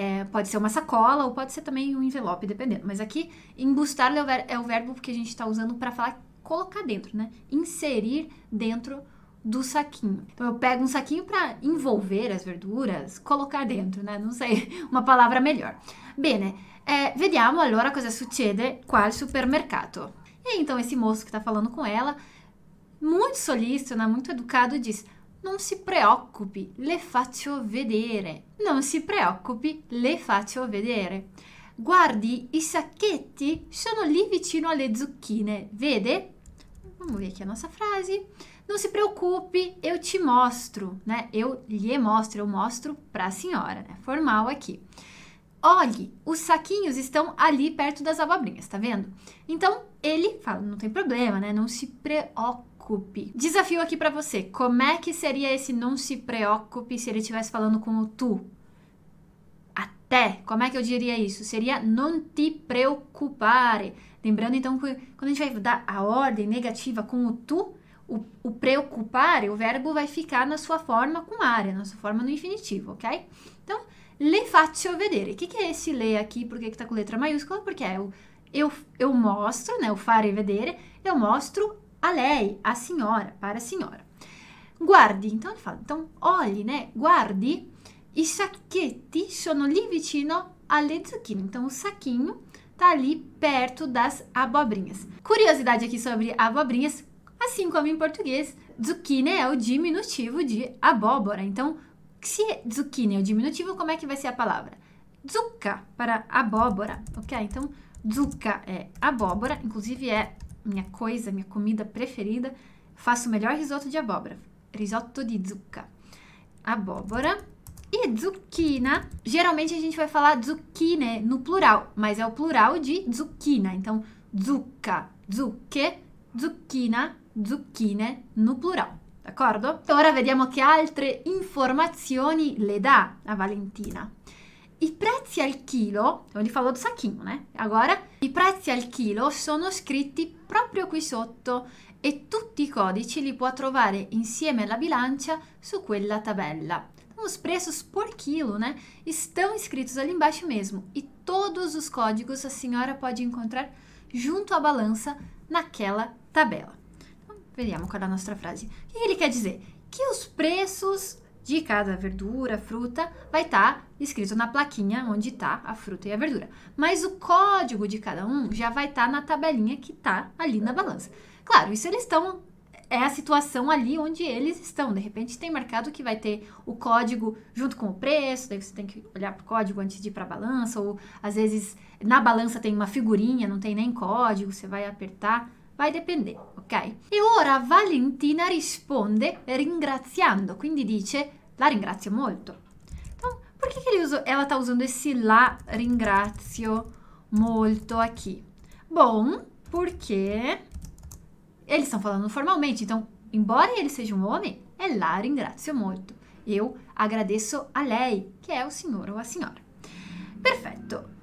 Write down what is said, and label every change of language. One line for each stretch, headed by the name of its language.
Portuguese: Pode ser uma sacola ou pode ser também um envelope, dependendo. Mas aqui, imbustar é o verbo que a gente está usando para falar colocar dentro, né? Inserir dentro do saquinho. Então, eu pego um saquinho para envolver as verduras, colocar dentro, né? Não sei, uma palavra melhor.
Italian: Bene, vediamo allora cosa succede qua al supermercato.
Portuguese: E então esse moço que está falando com ela, muito solícito, né, muito educado, diz:
Italian: Non si preoccupi, le faccio vedere. Non si preoccupi, le faccio vedere. Guardi, i sacchetti sono lì vicino alle zucchine, vede?
Portuguese: Vamos ver aqui a nossa frase.
Italian: Non si preoccupi,
Portuguese: eu ti mostro, né? Eu lhe mostro, eu mostro para a senhora, né? Formal aqui. Olhe, os saquinhos estão ali perto das abobrinhas, tá vendo? Então, ele fala, não tem problema, né? Não se preocupe. Desafio aqui pra você. Como é que seria esse não se preocupe se ele estivesse falando com o tu? Até, como é que eu diria isso?
Italian: Seria non ti preoccupare.
Portuguese: Lembrando, então, que quando a gente vai dar a ordem negativa com o tu, o preocupare, o verbo vai ficar na sua forma com are, na sua forma no infinitivo, ok? Então...
Italian: Le faccio vedere.
Portuguese: O que, que é esse le aqui? Por que está com letra maiúscula? Porque é o eu mostro, né? O
Italian: fare vedere.
Portuguese: Eu mostro a lei, a senhora, para a senhora. Guardi. Então, ele fala. Então, olhe, né? Guardi.
Italian: I sacchetti sono lì vicino alle zucchine.
Portuguese: Então, o saquinho está ali perto das abobrinhas. Curiosidade aqui sobre abobrinhas. Assim como em português, zucchine é o diminutivo de abóbora. Então,
Italian: Se zucchini è un diminutivo, com'è che vai essere la parola? Zucca
Portuguese: para abóbora, ok? Então, zucca è abóbora, inclusive
Italian: è mia cosa, mia
Portuguese: comida preferita. Faço o melhor risotto di abóbora.
Italian: Risotto di zucca.
Portuguese: Abóbora. E zucchina, geralmente a gente vai falar zucchine no plural, mas é o plural de zucchina. Então, zucca, zucche, zucchina, zucchine no plural, d'accordo?
Italian: Ora vediamo che altre informazioni le dà a Valentina. I prezzi al chilo, ho gli
Portuguese: falo do sacchino, né? Agora,
Italian: i prezzi al chilo sono scritti proprio qui sotto e tutti i codici li può trovare insieme alla bilancia su quella tabella.
Portuguese: Os preços por quilo, né? Estão escritos ali embaixo mesmo. E todos os códigos a senhora pode encontrar junto à balança naquela tabela. Então, vejamos qual é a nossa frase. O que ele quer dizer? Que os preços de cada verdura, fruta, vai estar escrito na plaquinha onde está a fruta e a verdura. Mas o código de cada um já vai estar na tabelinha que está ali na balança. Claro, isso eles estão... É a situação ali onde eles estão. De repente tem marcado que vai ter o código junto com o preço, daí você tem que olhar para o código antes de ir para a balança, ou às vezes na balança tem uma figurinha, não tem nem código, você vai apertar, vai depender, ok?
Italian: E ora Valentina risponde ringraziando, quindi dice la ringrazio molto.
Portuguese: Então, por que ela está usando esse
Italian: la ringrazio molto
Portuguese: aqui? Bom, porque... Eles estão falando formalmente, então, embora ele seja um homem, é
Italian: la ringrazio molto.
Portuguese: Eu agradeço a lei, que é o senhor ou a senhora. Perfeito.